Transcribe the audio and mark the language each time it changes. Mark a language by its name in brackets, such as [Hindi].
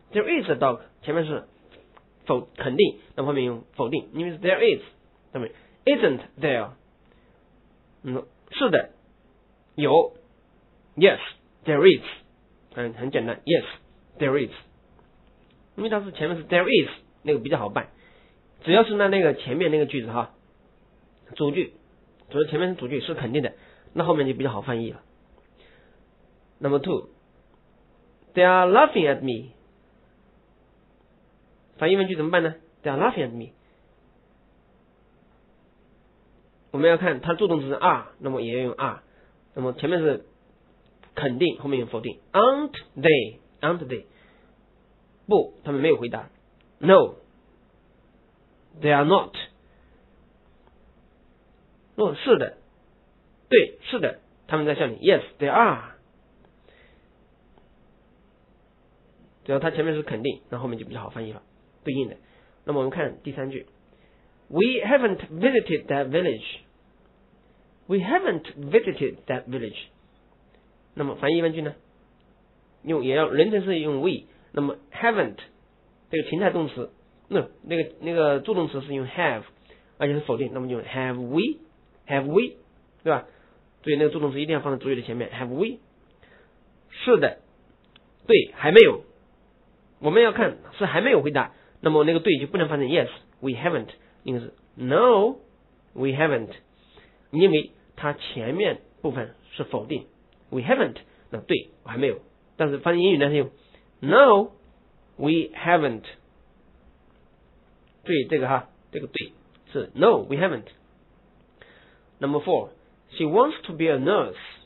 [Chinese] There is a dog 前面是否肯定，那么后面用否定，因为是 there is， 那么 isn't there， 是的，有， [English] yes there is， [Chinese] 很简单， yes there is， 因为它是前面是 there is，那个比较好办，只要是那个前面那个句子哈，主句，主要前面主句是肯定的，那后面就比较好翻译了。 [English] Number two， They are laughing at me。 [Chinese] 反义问句怎么办呢？ [English] They are laughing at me。 [Chinese] 我们要看它助动词是 are， 那么也要用 are。那么前面是肯定，后面用否定。 [English] Aren't they？ Aren't they？ [Chinese] 不，他们没有回答。 [English] No, they are not。 [Chinese] 若是的，对，是的，他们在笑你。 [English] Yes, they are。 [Chinese] 只要他前面是肯定，那后面就比较好翻译了，对应的。 [English] 那么我们看第三句， We haven't visited that village。 We haven't visited that village。 [Chinese] 那么翻译问句呢，用也要人称是用 we， 那么 haven't这个情态动词，那个助动词是用 have， 而且是否定，那么就 have we， have we， 对吧？所以那个助动词一定要放在主语的前面， have we。是的，对，还没有，我们要看是还没有回答，那么那个对就不能放在 [English] yes we haven't， [Chinese] 应该是 [English] no we haven't， [Chinese] 因为它前面部分是否定 we haven't， 那对还没有，但是放在英语呢是用 no we haven't。对，这个哈，这个对是 [English] no we haven't。 Number four， She wants to be a nurse。